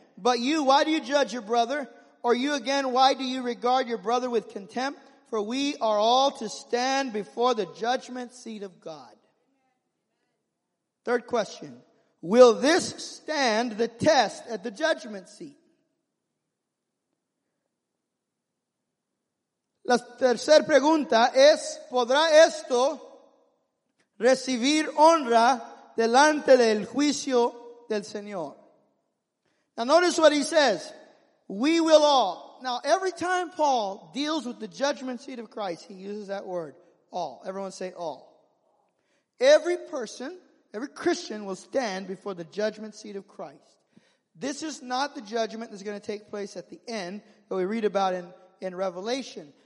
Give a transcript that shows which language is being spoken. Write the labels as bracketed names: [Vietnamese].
[English] But you, why do you judge your brother? Or you again, why do you regard your brother with contempt? For we are all to stand before the judgment seat of God. Third question. Will this stand the test at the judgment seat? [Spanish] La tercera pregunta es, ¿podrá esto recibir honra delante del juicio del Señor? [English] Now notice what he says. We will all. Now every time Paul deals with the judgment seat of Christ, he uses that word, all. Everyone say all. Every person, every Christian will stand before the judgment seat of Christ. This is not the judgment that's going to take place at the end that we read about in Revelation.